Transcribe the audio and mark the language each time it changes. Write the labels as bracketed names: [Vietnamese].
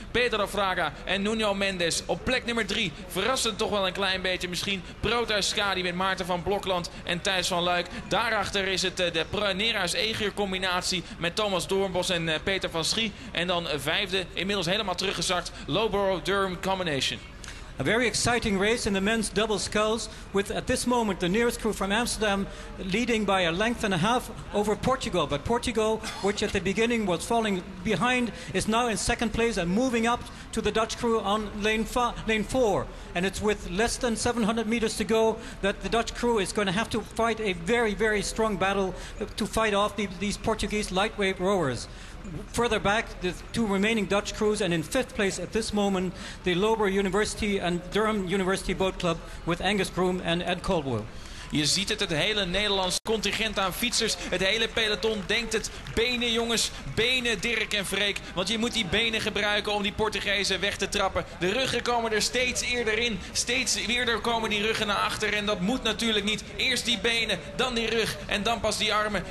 [Dutch] Pedro Fraga en Nuno Mendes op plek nummer 3. Verrassend toch wel een klein beetje misschien. Proteus Skadi met Maarten van Blokland en Thijs van Luik. Daarachter is het de Nera's-Eger combinatie met Thomas Doornbos en Peter van Schie. En dan vijfde, inmiddels helemaal teruggezakt, Loughborough-Durham combination. [English] A very exciting race in the men's double sculls, with at this moment the nearest crew from Amsterdam leading by a length and a half over Portugal. But Portugal, which at the beginning was falling behind, is now in second place and moving up to the Dutch crew on lane four. And it's with less than 700 meters to go that the Dutch crew is going to have to fight a very, very strong battle to fight off these Portuguese lightweight rowers. Further back, the two remaining Dutch crews, and in fifth place at this moment, the Loughborough University and Durham University Boat Club with Angus Groom and Ed Caldwell. [Dutch] Je ziet het hele Nederlands contingent aan fietsers. Het hele peloton denkt het. Benen jongens, benen Dirk en Freek. Want je moet die benen gebruiken om die Portugezen weg te trappen. De ruggen komen er steeds eerder in. Steeds eerder komen die ruggen naar achter. En dat moet natuurlijk niet. Eerst die benen, dan die rug en dan pas die armen.